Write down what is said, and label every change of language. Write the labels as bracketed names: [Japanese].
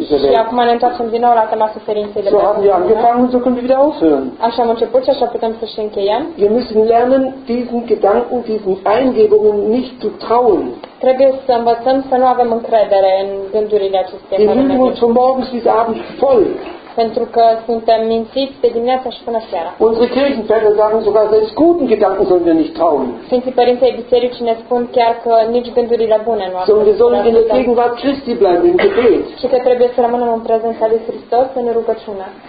[Romanian] Și acum ne întoarcem din nou la tema suferinței de pe pământ. Așa am început și așa putem să-și încheiem. [German] Wir müssen lernen, diesen Gedanken, diesen Eingebungen nicht zu trauen. [Romanian] Trebuie să învățăm să nu avem încredere în gândurile acestea. [German] Wir hüllen uns von morgens bis abends voll. [Romanian] Pentru că suntem mințiți de dimineața și până seara. [German] Unsere Kirchenväter sagen sogar, selbst guten Gedanken sollen wir nicht trauen. [Romanian] Sfinții părinții bisericii ne spun chiar că nici gândurile bune nu ar trebui. [German] So, sollen wir in der Gegenwart Christi bleiben, im Gebet. [Romanian] Și că trebuie să rămânem în prezența lui Hristos, în rugăciune.